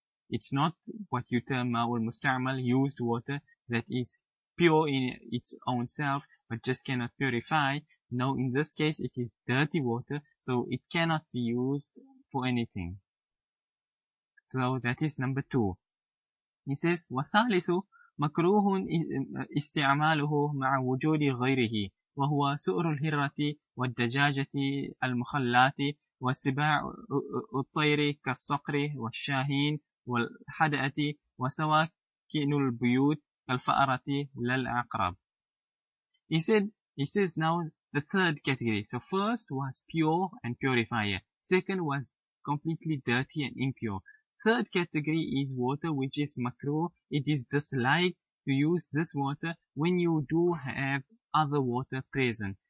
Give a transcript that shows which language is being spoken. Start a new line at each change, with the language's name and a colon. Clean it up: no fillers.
English: It's not what you term
Arabic: ماء المستعمل,
English: used water that is pure in its own self, but just cannot purify. No, in this case, it is dirty water, so it cannot be used for anything. So that is number two. He says,
Arabic: وثالث مكروه استعماله مع وجود غيره وهو سؤر الهرة والدجاجة المخلات والسباع الطير كالصقر والشاهين والحدأة وسواكن البيوت كالفأرة للعقرب.
English: He says now the third category. So first was pure and purifier. Second was completely dirty and impure. Third category is water which is makruh. It is disliked to use this water when you do have other water present.